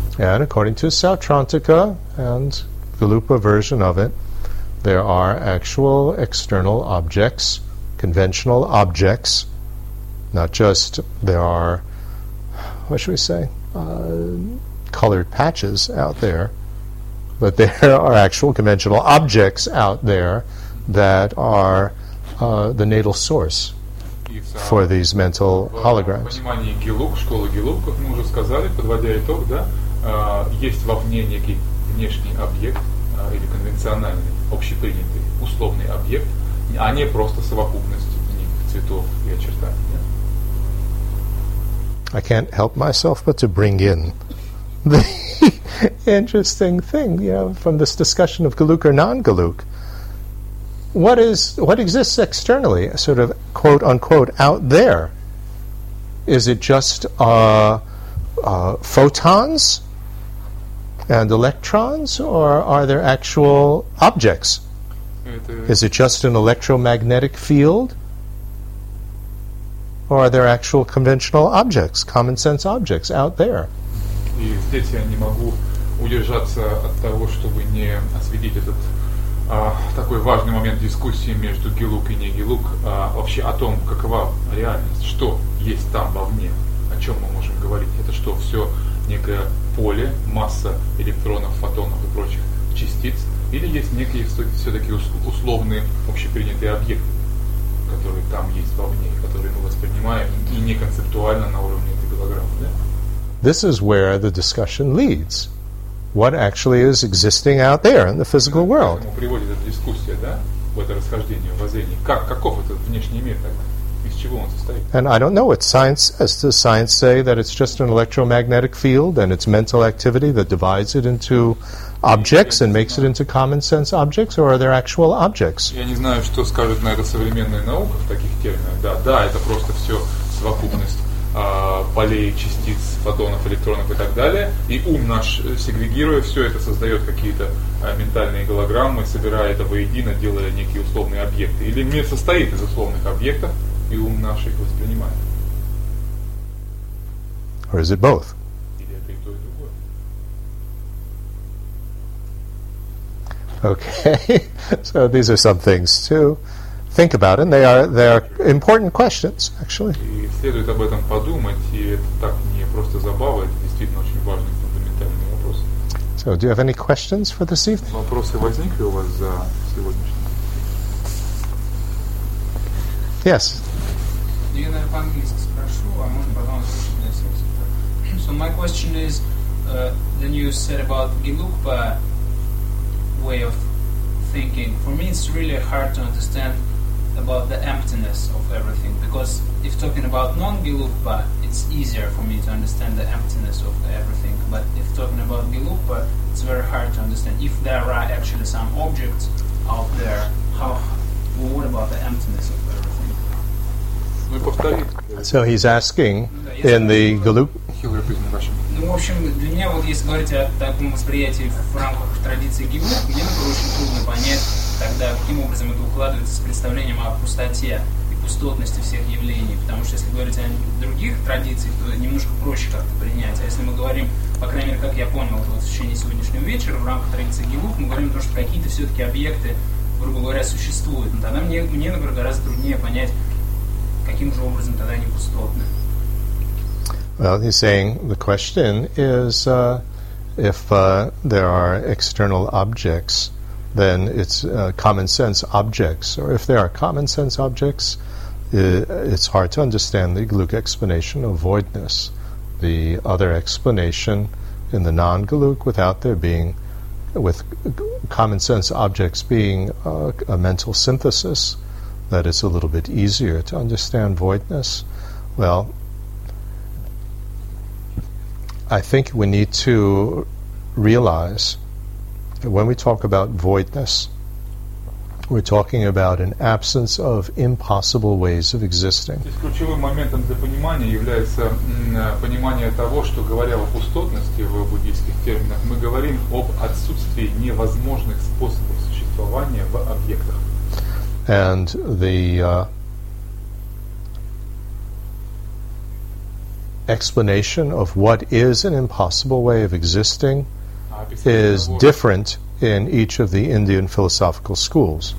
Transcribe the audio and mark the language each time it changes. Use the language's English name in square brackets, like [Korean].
[English] And according to Sautrantika and Galupa version of it, there are actual external objects, conventional objects, not just there are, what should we say, colored patches out there, but there are actual conventional objects out there that are the natal source for these mental holograms. [Russian] В понимании гелуг, школы гелуг, как мы уже сказали, подводя итог, да, есть вовне некий внешний объект, или конвенциональный, общепринятый, условный объект, а не просто совокупность неких цветов и очертаний. [English] I can't help myself but to bring in the interesting thing, you know, from this discussion of galuk or non-galuk. What exists externally, sort of quote unquote out there? Is it just photons and electrons, or are there actual objects? Is it just an electromagnetic field, or are there actual conventional objects, common sense objects out there? [Russian] И здесь я не могу удержаться от того, чтобы не осветить этот такой важный момент дискуссии между гелуг и не гелуг, вообще о том, какова реальность, что есть там вовне, о чем мы можем говорить. Это что, все некое поле, масса электронов, фотонов и прочих частиц, или есть некие все-таки условные общепринятые объекты, которые там есть вовне, которые мы воспринимаем и не концептуально на уровне этой голограммы, да? [English] This is where the discussion leads. What actually is existing out there in the physical world? [Russian] Поэтому приводит эта дискуссия, да, в это расхождение, в воззрение. Как, каков этот внешний мир тогда? Из чего он состоит? [English] And I don't know what science says. Does science say that it's just an electromagnetic field and it's mental activity that divides it into objects and makes it into common sense objects, or are there actual objects? [Russian] Я не знаю, что скажет на это современная наука в таких терминах. Да, да, это просто все совокупность полей, частиц, фотонов, электронов и так далее. И ум наш, сегрегируя все это, создает какие-то ментальные голограммы, собирая это воедино, делая некие условные объекты. Или мир состоит из условных объектов, и ум наш их воспринимает. [English] Or is it both? [Russian] Или это и то, и другое. [English] Okay. So these are some things to think about, and they are important questions, actually. [Russian] И следует об этом подумать, и это так не просто забава, это действительно очень важный фундаментальный вопрос. [English] So, do you have any questions for this evening? [Russian] Вопросы возникли у вас за сегодняшний? [English] Yes. [Russian] Я, наверное, по-английски спрошу, а может потом спросить на сердце. [English] So my question is, then you said about Gelugpa way of thinking. For me, it's really hard to understand about the emptiness of everything, because if talking about non-gelugpa, it's easier for me to understand the emptiness of everything, but if talking about gelugpa, it's very hard to understand. If there are actually some objects out there, what about the emptiness of everything? So he's asking in the gelug... He'll repeat the question. [Russian] Ну, в общем, для меня, вот если говорить о таком восприятии в рамках традиции гелуг, мне, например, очень трудно понять, тогда каким образом это укладывается с представлением о пустоте и пустотности всех явлений, потому что если говорить о других традициях, то немножко проще как-то принять. А если мы говорим, по крайней мере, как я понял, вот, в течение сегодняшнего вечера, в рамках традиции гелуг, мы говорим о том, что какие-то все-таки объекты, грубо говоря, существуют. Но тогда мне, например, гораздо труднее понять, каким же образом тогда они пустотны. [English] Well, he's saying the question is there are external objects, then it's common sense objects. Or if there are common sense objects, it's hard to understand the gelug explanation of voidness. The other explanation in the non-gelug without there being, with common sense objects being a mental synthesis, that it's a little bit easier to understand voidness. Well, I think we need to realize when we talk about voidness, we're talking about an absence of impossible ways of existing. [Russian] Здесь ключевым моментом для понимания является понимание того, что говоря о пустотности в буддийских терминах, мы говорим об отсутствии невозможных способов существования в объектах. [English] And the explanation of what is an impossible way of existing is different in each of the Indian philosophical schools.